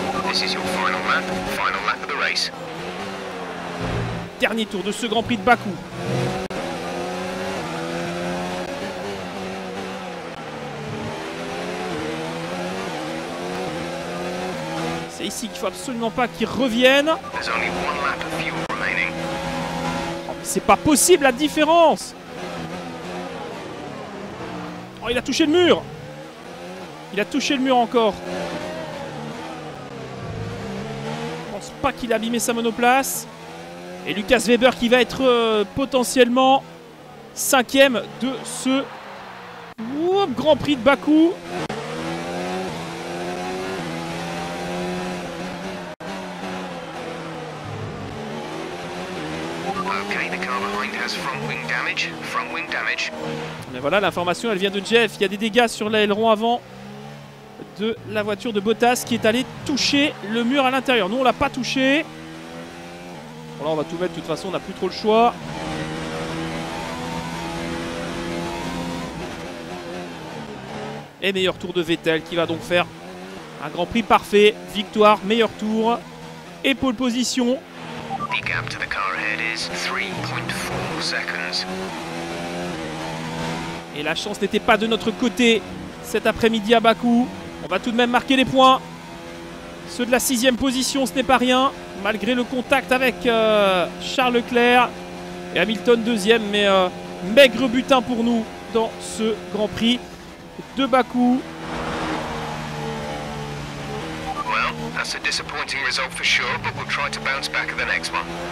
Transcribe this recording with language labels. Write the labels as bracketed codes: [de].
[en] This is your final lap of the race. [fr] Dernier tour de ce Grand Prix de Bakou. C'est ici qu'il faut absolument pas qu'ils reviennent. Oh, c'est pas possible la différence. Oh, il a touché le mur. Il a touché le mur encore. Je pense pas qu'il a abîmé sa monoplace. Et Lucas Weber qui va être potentiellement cinquième de ce Grand Prix de Bakou. [en] Okay, the car behind has front wing damage. Front wing damage. [fr] Mais voilà, l'information elle vient de Jeff. Il y a des dégâts sur l'aileron avant de la voiture de Bottas qui est allé toucher le mur à l'intérieur. Nous on l'a pas touché. Bon là on va tout mettre, de toute façon on n'a plus trop le choix. Et meilleur tour de Vettel qui va donc faire un Grand Prix parfait. Victoire, meilleur tour et pole position. [en] The gap to the car ahead is 3.4 seconds. [fr] Et la chance n'était pas de notre côté cet après-midi à Bakou. On va tout de même marquer les points. Ceux de la sixième position, ce n'est pas rien. Malgré le contact avec Charles Leclerc et Hamilton deuxième, mais maigre butin pour nous dans ce Grand Prix de Bakou. [en] Well, that's a disappointing result for sure, but we'll try to bounce back at the next one.